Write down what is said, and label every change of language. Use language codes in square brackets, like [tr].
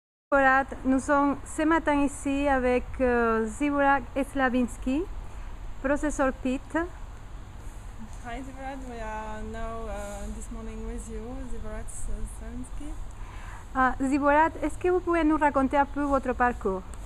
[fr] Nicolas, nous sommes ce matin ici avec Zivorak Slavinsky, Professor Pitt. [en] Hi Zivorak, we are now this morning with you, Zivorak Slavinsky. [fr] Zivorak, est-ce que vous pouvez nous raconter un peu votre parcours?